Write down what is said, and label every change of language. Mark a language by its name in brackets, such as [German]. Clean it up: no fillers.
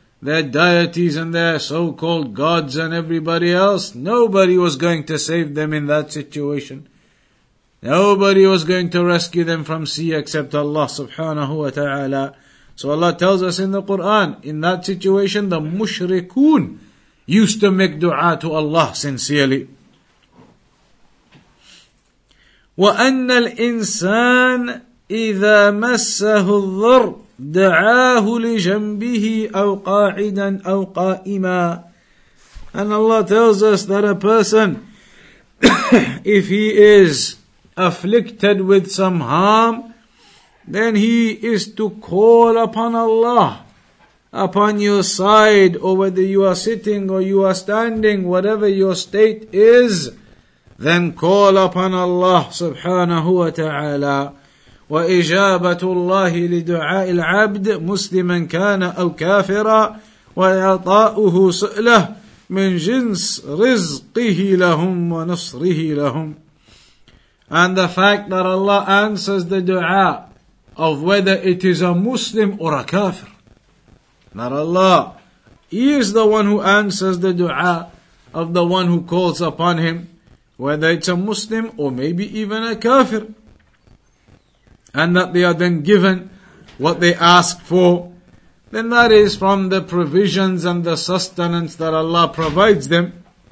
[English] Their deities and their so-called gods and everybody else, nobody was going to save them in that situation. Nobody was going to rescue them from sea except Allah subhanahu wa ta'ala. So Allah tells us in the Quran, in that situation, the mushrikun used to make dua to Allah sincerely. [Arabic] وَأَنَّ الْإِنسَانِ إِذَا مَسَّهُ الضُّرْ دعاه لجنبه أو قاعدا أو قائما. [English] And Allah tells us that a person, if he is afflicted with some harm, then he is to call upon Allah, upon your side, or whether you are sitting or you are standing, whatever your state is, then call upon Allah subhanahu wa ta'ala. [Arabic] وإجابة الله لدعاء العبد مسلما كان أو كافرا وإعطاؤه سؤله من جنس رزقه لهم ونصره لهم. [English] And the fact that Allah answers the dua of whether it is a Muslim or a kafir, that Allah, He is the one who answers the dua of the one who calls upon Him, whether it's a Muslim or maybe even a kafir, and that they are then given what they ask for, then that is from the provisions and the sustenance that Allah provides them.